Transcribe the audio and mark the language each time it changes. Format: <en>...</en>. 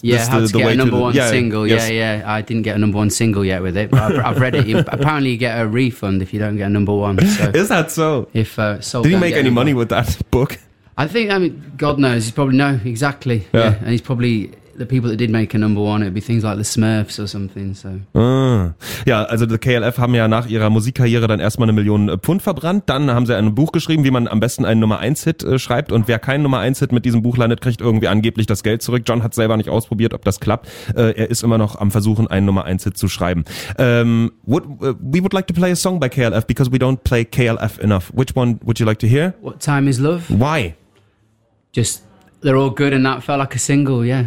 <en>Yeah, how to get a number one single. Yeah. I didn't get a number one single yet with it. But I've read it. Apparently, you get a refund if you don't get a number one. So is that so? If sold, did he make any money with that book? I think, I mean, God knows. He's probably, no, exactly. Yeah. And he's probably, the people that did make a number one, it'd be things like the Smurfs or something, so.</en> <de>Ja, also the KLF haben ja nach ihrer Musikkarriere dann erstmal 1 Million Pfund verbrannt, dann haben sie ein Buch geschrieben, wie man am besten einen Nummer 1 Hit schreibt, und wer keinen Nummer 1 Hit mit diesem Buch landet, kriegt irgendwie angeblich das Geld zurück. John hat selber nicht ausprobiert, ob das klappt. Er ist immer noch am Versuchen, einen Nummer 1 Hit zu schreiben.</de> <en>We would like to play a song by KLF because we don't play KLF enough. Which one would you like to hear? What Time Is Love? Why? Just, they're all good and that felt like a single, yeah.</en>